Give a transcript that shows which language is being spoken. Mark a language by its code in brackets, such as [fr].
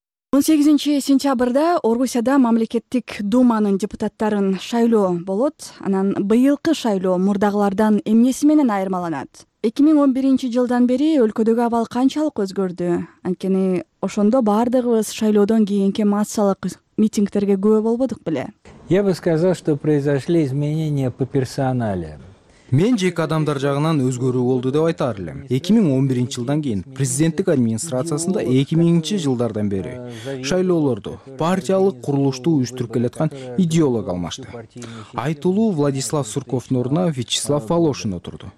[ky] 18 сентябрда Орусияда мамлекеттик думанын депутаттарын шайлоо болот. Анан быйылкы шайлоо мурдагылардан эмнеси менен айырмаланат? 2011 жылдан бери өлкөдөгү абал канчалык өзгөрдү? Анткени ошондо баардыгыбыз шайлоодон кийинки массалык митингдерге күбө болбодук беле? [ru] Я бы сказал, что произошли изменения по персоналу. [ky] Мен жеке адамдар жагынан өзгөрүү болду деп айтар элем. 2011 жылдан кийин президенттик администрациясында 2000-чи жылдардан бери шайлоолорду партиялык курулушту уюштуруп келаткан идеолог алмашты. Айтулуу Владислав Сурковдун ордуна Вячеслав Волошин отурду.